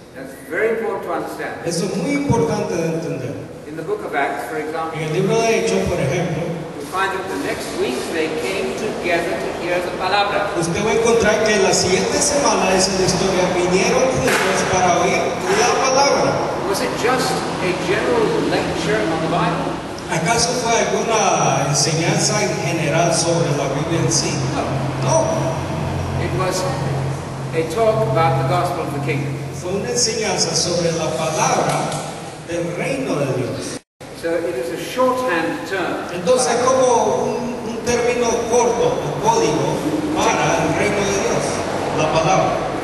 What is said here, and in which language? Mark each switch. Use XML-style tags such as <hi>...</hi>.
<en>That's very important to understand.</en> <es>Eso es muy importante de entender.</es> <en>In the book of Acts, for example,</en> <es>en el libro de Hechos, por ejemplo, usted va a encontrar que la siguiente semana es la historia. Vinieron juntos para oír la palabra.</es> <en>Was it just a general lecture on the Bible?</en> <es>¿Acaso fue alguna enseñanza en general sobre la Biblia en sí?</es> <en>No. It was a talk about the gospel of the kingdom.</en> <es>Fue una enseñanza sobre la palabra del reino de Dios.</es> <en>So it is a shorthand term.</en> <es>Entonces como un término corto, un código para el reino de Dios, la palabra.</es>